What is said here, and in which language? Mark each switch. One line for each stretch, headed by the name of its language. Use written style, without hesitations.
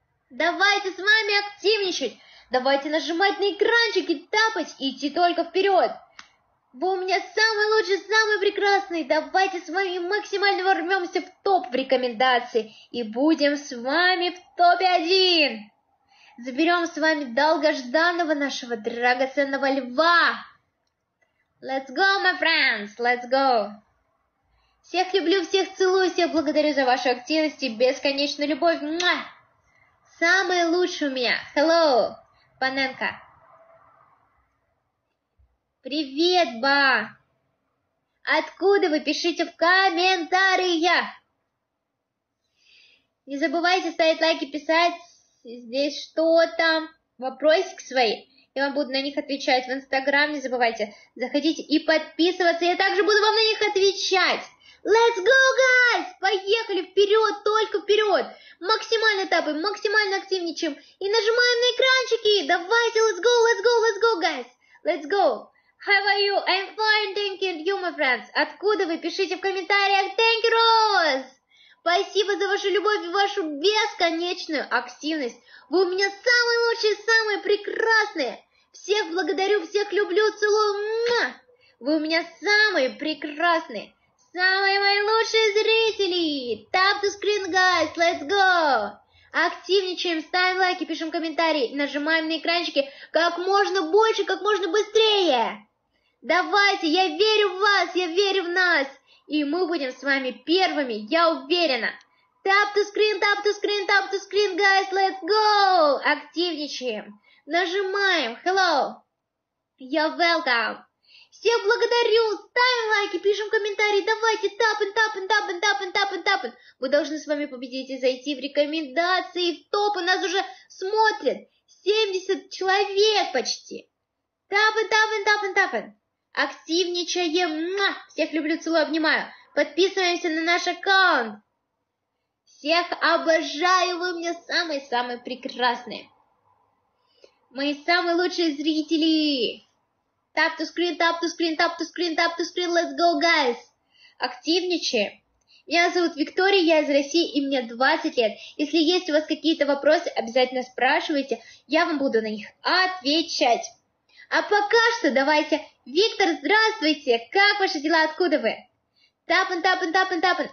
Russian: Давайте с вами активничать. Давайте нажимать на экранчик и тапать, и идти только вперед. Вы у меня самый лучший, самый прекрасный. Давайте с вами максимально ворвемся в топ в рекомендации. И будем с вами в топе один. Заберем с вами долгожданного нашего драгоценного льва.
English: Let's go, my friends, let's go.
Russian: Всех люблю, всех целую, всех благодарю за вашу активность и бесконечную любовь. Муа! Самый лучший у меня. Hello, Паненко. Привет, ба. Откуда вы? Пишите в комментариях. Не забывайте ставить лайки, писать здесь что-то, вопросики свои. Я вам буду на них отвечать в Инстаграм, не забывайте. Заходите и подписываться, я также буду вам на них отвечать.
English: Let's go, guys!
Russian: Поехали вперед, только вперед. Максимально тапаем, максимально активничаем. И нажимаем на экранчики.
English: Давайте, let's go, let's go, let's go, guys. Let's go. How are you? I'm fine, thank you, my friends.
Russian: Откуда вы? Пишите в комментариях.
English: Thank you, Rose!
Russian: Спасибо за вашу любовь и вашу бесконечную активность. Вы у меня самые лучшие, самые прекрасные. Всех благодарю, всех люблю, целую. Муа! Вы у меня самые прекрасные. Самые мои лучшие зрители.
English: Tap to screen, guys. Let's go.
Russian: Активничаем, ставим лайки, пишем комментарии. Нажимаем на экранчики как можно больше, как можно быстрее. Давайте, я верю в вас, я верю в нас. И мы будем с вами первыми, я уверена.
English: Tap to screen, tap to screen, tap to screen, guys, let's go!
Russian: Активничаем. Нажимаем. Hello.
English: You're welcome.
Russian: Всех благодарю. Ставим лайки, пишем комментарии. Давайте тапен, тапен, тапен, тапен, тапен, тапен. Мы должны с вами победить и зайти в рекомендации, в топ. У нас уже смотрят 70 человек почти. Тапен, тапен, тапен, тапен. Активничаем. Муа! Всех люблю, целую, обнимаю. Подписываемся на наш аккаунт. Всех обожаю, вы мне самые-самые прекрасные. Мои самые лучшие зрители.
English: Tap to screen, tap to screen, tap to screen, tap to screen, let's go, guys.
Russian: Активничаем. Меня зовут Виктория, я из России и мне 20 лет. Если есть у вас какие-то вопросы, обязательно спрашивайте, я вам буду на них отвечать. А пока что давайте... Виктор, здравствуйте! Как ваши дела? Откуда вы? Тапен, тапен, тапен, тапен.